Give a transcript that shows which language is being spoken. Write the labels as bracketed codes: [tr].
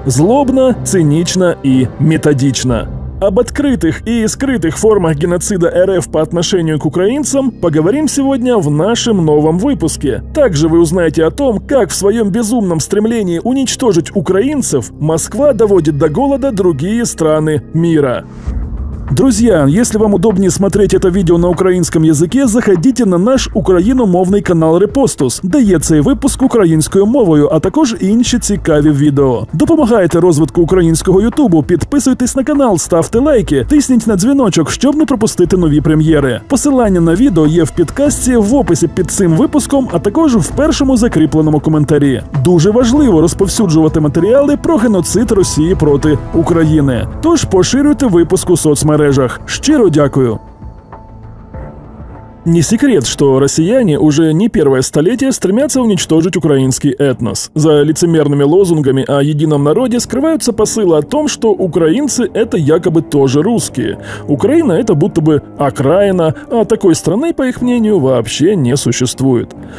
[ru] Злобно, цинично и методично. Об открытых и скрытых формах геноцида РФ по отношению к украинцам поговорим сегодня в нашем новом выпуске. Также вы узнаете о том, как в своем безумном стремлении уничтожить украинцев Москва доводит до голода другие страны мира. Друзья, если вам удобнее смотреть это видео на украинском языке, заходите на наш [uk] україномовний канал Репостус, де є цей випуск українською мовою, а також інші цікаві відео. Допомагайте розвитку українського ютубу, підписуйтесь на канал, ставте лайки, тисніть на дзвіночок, щоб не пропустити нові прем'єри. Посилання на відео є в підкасті, в описі під цим випуском, а також в першому закріпленому коментарі. Дуже важливо розповсюджувати матеріали про геноцид Росії проти України. Тож поширюйте випуск у соцмережах. Щиро дякую! [ru] Не секрет, что россияне уже не первое столетие стремятся уничтожить украинский этнос. За лицемерными лозунгами о едином народе скрываются посылы о том, что украинцы – это якобы тоже русские. Украина – это будто бы окраина, а такой страны, по их мнению, вообще не существует.